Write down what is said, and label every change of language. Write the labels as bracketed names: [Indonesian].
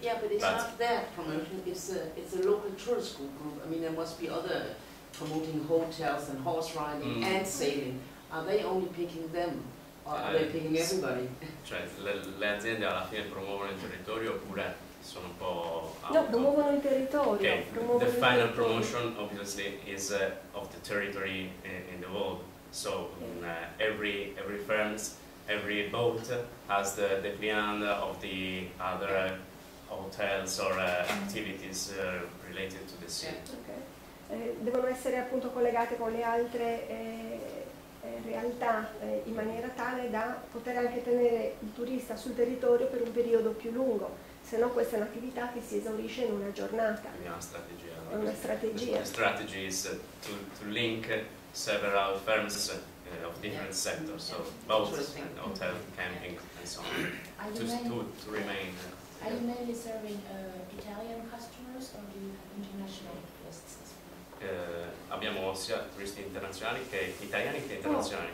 [English] Yeah, but it's not their promotion, it's a local tourist group. I mean, there must be other promoting hotels and horse riding and sailing. Are they only picking them, or are they picking everybody? [Italian] Cioè, le aziende alla fine promuovono il territorio oppure sono un po' no, promuovono il territorio. [English] Okay. [Italian] Promuovono [English] the final promotion obviously is of the territory in the world. So every firms, every boat has the client of the other hotels or activities related to the sea. Okay. [Italian] Devono essere appunto collegate con le altre realtà in maniera tale da poter anche tenere il turista sul territorio per un periodo più lungo. se no questa è un'attività che si esaurisce in una giornata. È una strategia. [English] The strategy is to link several firms of different sectors, so boats, and hotel, camping, and so on, to remain. Are you mainly serving Italian customers or do you have international guests? [Italian] Abbiamo sia turisti internazionali che italiani che internazionali.